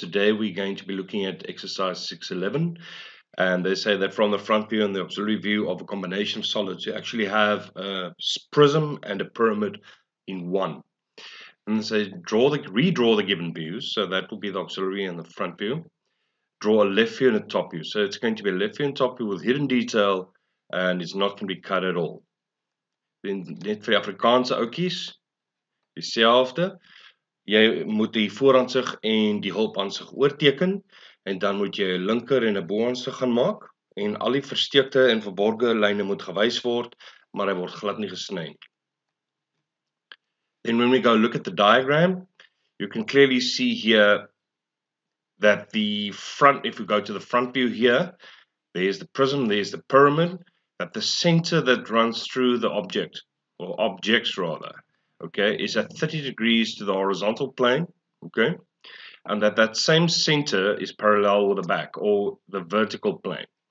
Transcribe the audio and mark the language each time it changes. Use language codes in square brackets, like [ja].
[en] Today we're going to be looking at exercise 6.11, and they say that from the front view and the auxiliary view of a combination of solids, you actually have a prism and a pyramid in one. And they say redraw the given views, so that will be the auxiliary and the front view. Draw a left view and a top view, so it's going to be a left view and top view with hidden detail, and it's not going to be cut at all. [af] Then net vir Afrikaanse ookies, dieselfde. Jy moet die vooransig en die hulpansig oorteken en dan moet jy 'n linker en 'n boansig gaan maak en al die versteekte en verborge lyne moet gewys word, maar hy word glad nie gesny nie. [en] Then when we go look at the diagram, you can clearly see here that if we go to the front view here, there's the prism, there's the pyramid, that the center that runs through the object, or objects rather, okay, is at 30 degrees to the horizontal plane, okay, and that same center is parallel with the back or the vertical plane.